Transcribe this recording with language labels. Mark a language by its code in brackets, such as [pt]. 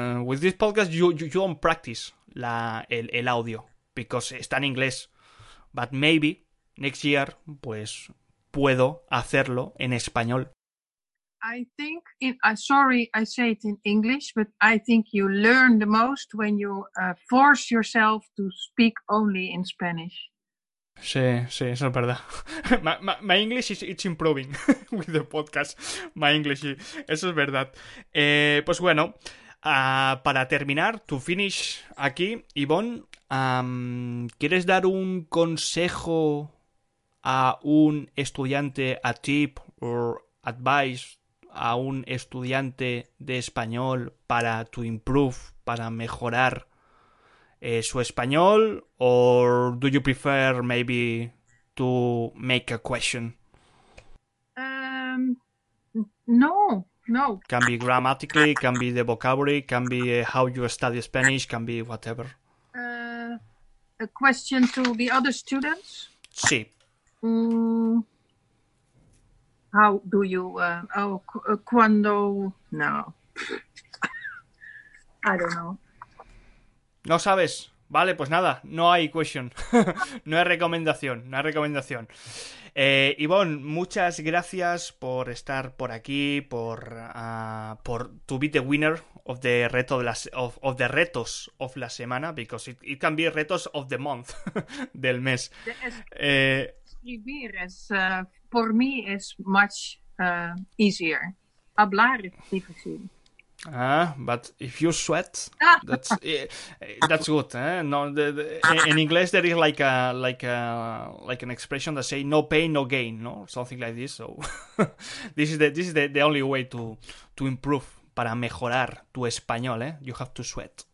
[en] With this podcast, you don't practice [es] el audio. [en] Because [es] está en inglés. [en] But maybe next year, [es] pues, puedo hacerlo en español. [en] I think, sorry, I say it in English, but I think you learn the most when you force yourself to speak only in Spanish. [es] Sí, sí, eso es verdad. [en] My English is improving with the podcast. My English, [es] eso es verdad. Pues bueno, para terminar, [en] to finish [es] aquí, Ivonne, ¿quieres dar un consejo a un estudiante, [en] a tip or advice? [es] A un estudiante de español para [en] to improve, [es] para mejorar su español, [en] or do you prefer maybe to make a question? No. Can be grammatically, can be the vocabulary, can be how you study Spanish, can be whatever. A question to the other students? [es] Sí. [en] How do you, [es] cuando, [en] no, I don't know. [es] No sabes, vale, pues nada, no hay question, no hay recomendación. Ivonne, muchas gracias por estar por aquí, por [en] to be the winner of the [es] reto de las [en] of the [es] retos of la semana, [en] because it can be [es] retos [en] of the month, [es] del mes. Escribir es por mí es [en] much easier. [es] Hablar es difícil. [en] But if you sweat, that's good. No, in English there is like an expression that say no pain no gain, no, something like this. So this is the only way to improve, [es] para mejorar tu español. [en] You have to sweat